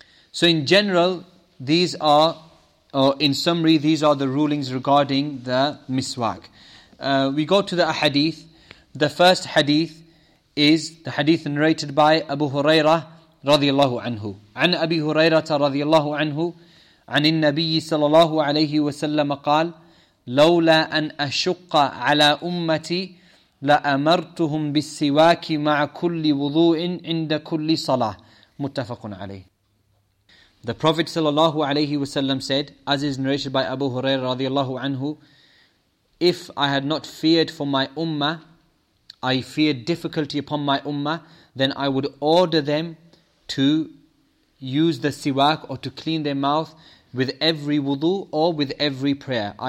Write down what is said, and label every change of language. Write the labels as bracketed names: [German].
[English] So in general, these are, or in summary, these are the rulings regarding the miswak. We go to the ahadith. The first hadith is the hadith narrated by Abu Hurairah radiallahu anhu. [Arabic] An Abi Hurairah radiallahu anhu. عن النبي صلى الله عليه وسلم قال لولا أن أشق على أمتي لأمرتهم بالسواك مع كل وضوء عند كل صلاة متفق عليه. [English] The Prophet [Arabic] صلى الله عليه وسلم [English] said, as is narrated by Abu Hurairah [Arabic] رضي الله عنه, [English] if I had not feared for my ummah, I feared difficulty upon my ummah, then I would order them to use the siwak, or to clean their mouth with every wudu or with every prayer.